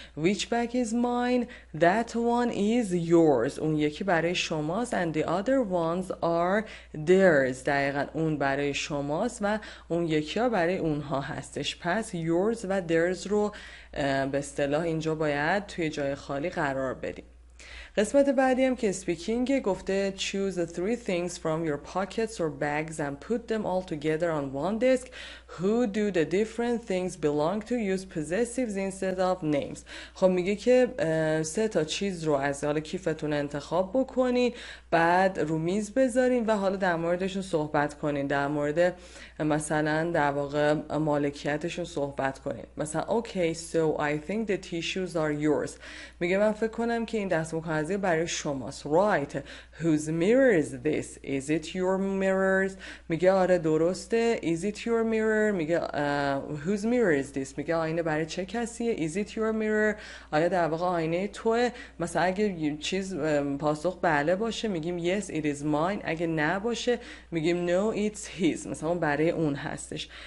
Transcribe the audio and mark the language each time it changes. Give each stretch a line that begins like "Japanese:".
English: Which bag is mine؟ That one is yours،
Persian: اون یکی برای شماست.
English: And the other ones are theirs،
Persian: دقیقا اون برای شماست و اون یکی ها برای اونها هستش. پس yours و theirs رو به اصطلاح اینجا باید توی جای خالی قرار بدیم. قسمت بعدی هم که
English: speaking گفته choose the three things from your pockets or bags and put them all together on one desk. Who do the different things belong to? Use possessives instead of names.
Persian: خب میگه که سه تا چیز رو از حال کیفتون انتخاب بکنین، بعد رو میز بذارین و حالا در موردشون صحبت کنین، در مورد مثلا در واقع مالکیتشون صحبت کنین.
English: مثلا okay, so I think the tissues are yours.
Persian: میگه من فکر کنم که این دست مکاغذی برای شماست.
English: Right. Whose mirror is this? Is it your mirrors?
Persian: میگه آره درسته.
English: Is it your mirror?
Persian: میگه
English: whose mirror is this؟
Persian: میگه آینه برای چه کسیه؟
English: Is it your mirror؟
Persian: آیا در واقع آینه توه؟ مثلا اگه چیز پاسخ بله باشه میگیم
English: yes it is mine،
Persian: اگه نه باشه میگیم
English: no it's his،
Persian: مثلا برای اون هستش.